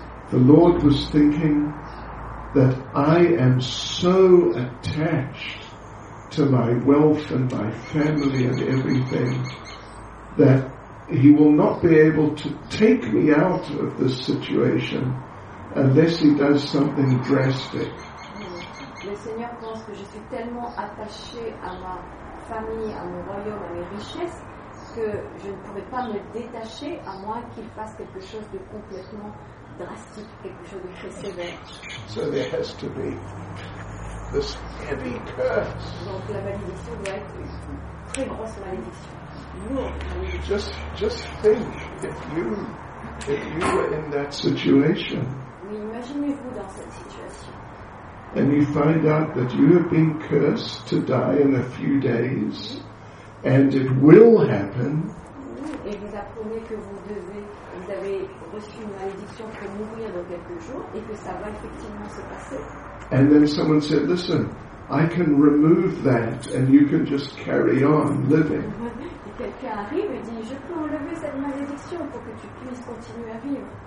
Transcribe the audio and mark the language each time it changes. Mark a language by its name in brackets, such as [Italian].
[English] The Lord was thinking that I am so attached to my wealth and my family and everything, that he will not be able to take me out of this situation unless he does something drastic. [French] Le Seigneur pense que je suis tellement attachée à ma famille, à mon royaume, à mes richesses, que je ne pourrai pas me détacher à moins qu'il fasse quelque chose de complètement drastique, quelque chose de très sévère. [English] So there has to be this heavy curse. [French] Donc la malédiction doit être une très grosse malédiction. [English] Just think if you were in that situation. [French] Mais imaginez-vous dans cette situation. [English] And you find out that you have been cursed to die in a few days, and it will happen. [French] Et vous apprenez que vous avez reçu une malédiction pour mourir dans quelques jours, et que ça va effectivement se passer. [English] And then someone said, listen, I can remove that and you can just carry on living. [French] Quelqu'un arrive et dit, je peux enlever cette malédiction pour que tu puisses continuer à vivre.